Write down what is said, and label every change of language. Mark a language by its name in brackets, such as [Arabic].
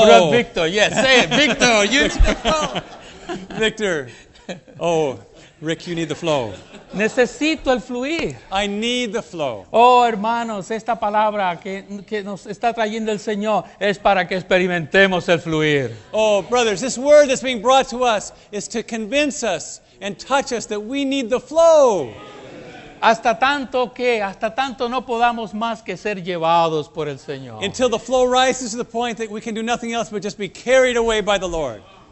[English] Yes, brother Victor. Yes, say it. Victor, you need the flow. Victor. Oh, Rick, you need the flow. [Spanish] Necesito el fluir. [English] I need the flow. [Spanish] Oh, hermanos, esta palabra que nos está trayendo el Señor es para que experimentemos el fluir. [English] Oh, brothers, this word that's being brought to us is to convince us and touch us that we need the flow. [Spanish] Hasta tanto no podamos más que ser llevados por el Señor. [English] Until the flow rises to the point that we can do nothing else but just be carried away by the Lord.